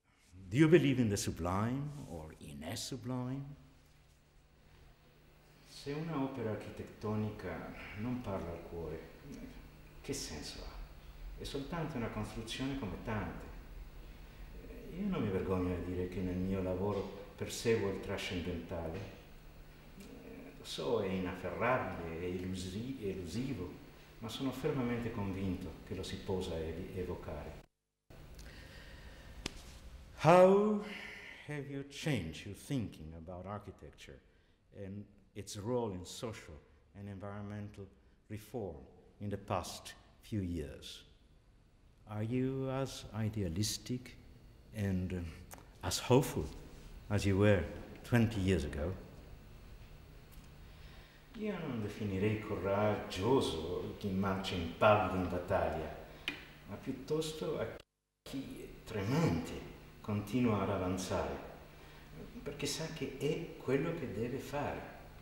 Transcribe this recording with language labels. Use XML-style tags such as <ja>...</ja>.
<en>Do you believe in the sublime or in a sublime?</en> <it>Se una opera architettonica non parla al cuore, che senso ha? È soltanto una costruzione come tante. Io non mi vergogno di dire che nel mio lavoro perseguo il trascendentale. Lo so, è inafferrabile, è elusivo, ma sono fermamente convinto che lo si possa evocare.</it> <en>How have you changed your thinking about architecture and its role in social and environmental reform in the past few years? Are you as idealistic and as hopeful as you were 20 years ago?</en> <it>Io non definirei coraggioso chi marcia in pallido in battaglia, ma piuttosto a chi è tremante continua ad avanzare, perché sa che è quello che deve fare.</it>